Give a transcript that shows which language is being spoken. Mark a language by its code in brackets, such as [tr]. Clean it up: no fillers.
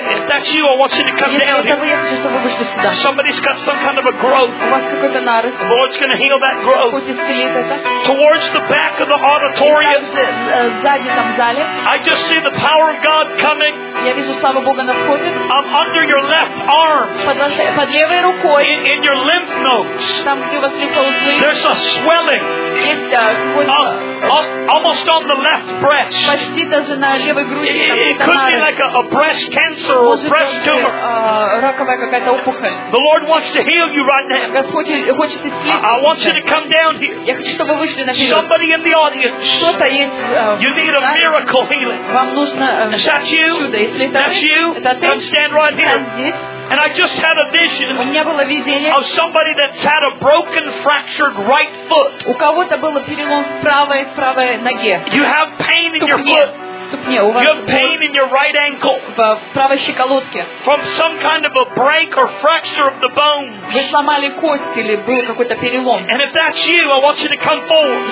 [en] If that's you, I want you to come down here. Somebody's got some kind of a growth. [ru] У вас какой-то нарост. [en] The Lord's going to heal that growth. [ru] Пусть исцелит это. [en] Towards the back of the auditorium. [ru] Сзади там в зале. [en] I just see the power of God coming. [ru] Я вижу славу Бога на входе. [en] I'm under your left arm. [ru] Под левой рукой. [en] In your lymph nodes, [ru] там, где у вас лимфоузлы, [en] there's a swelling. [ru] Есть, да, [en] almost on the left breast. [ru] Почти даже на левой груди. [en] It could be like a breast cancer or breast tumor. [ru] Раковая какая-то опухоль. [en] The Lord wants to heal you right now. [ru] Господь хочет исцелить. [en] I want you to come down here. [ru] Я хочу, чтобы вы вышли на перед. [en] Somebody in the audience. [ru] Что-то есть. [en] You need a miracle healing. [ru] Вам нужно чудо. [en] That's you. That's you. Come stand right here. And I just had a vision of somebody that's had a broken, fractured right foot. [ru] У кого-то был перелом правой ноге. [en] You have pain in your foot. You have pain in your right ankle. [ru] В правой щиколотке. [en] From some kind of a break or fracture of the bones. [ru] Вы сломали кость или был какой-то перелом. [en] And if that's you, I want you to come forward.